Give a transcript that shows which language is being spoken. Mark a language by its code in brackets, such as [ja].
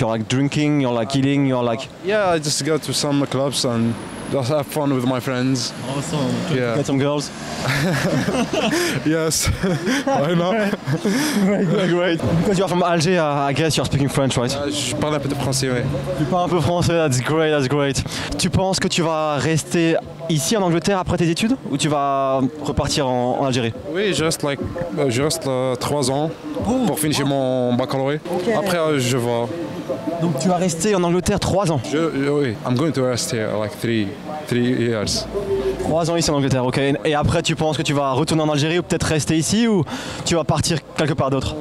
[en] You're, like, drinking, you're, like, eating, you're, like... Yeah, I just go to some clubs and just have fun with my friends. Awesome. Yeah. Get some girls. Yes. Why not? Great. Because you're from Algeria, I guess you're speaking French, right? [fr] Je parle un peu de français, oui. Tu parles un peu français, [en] that's great. [fr] Tu penses que tu vas rester ici en Angleterre après tes études ou tu vas repartir en Algérie? Oui, je reste 3 ans pour finir mon baccalauréat. [en] Okay. [fr] Après, je vois. Donc tu vas rester en Angleterre 3 ans? [en] Oui, I'm going to rest here like 3 years. [fr] 3 ans ici en Angleterre, ok. Et après tu penses que tu vas retourner en Algérie ou peut-être rester ici ou tu vas partir quelque part d'autre?